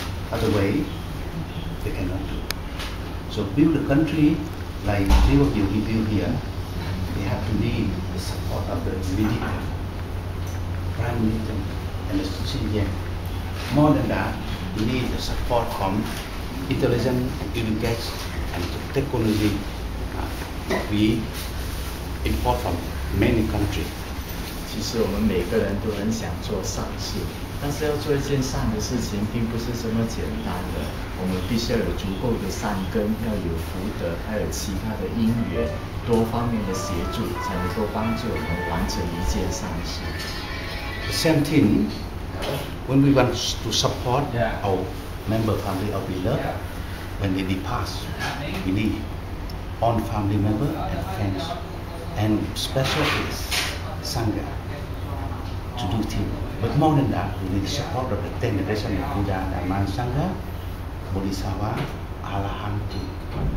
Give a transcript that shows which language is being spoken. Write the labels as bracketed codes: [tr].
[en] Other way, they cannot do. So build a country like three of you he built here, they have to need the support of the media, prime minister, and the senior. More than that, we need the support from intelligence, education, and technology we import from many countries. [zh] 其实我们每个人都很想做善事，但是要做一件善的事情并不是这么简单的。我们必须要有足够的善根，要有福德，还有其他的因缘，多方面的协助，才能够帮助我们完成一件善事。 [en] The same thing, when we want to support our member family of Bilal, when they depart, we need all family member and friends and specialists. Sangha to do things. But more than that, we need support of the 10 generation of Buddha, Dhamma, Sangha, Bodhisattva, Arahant.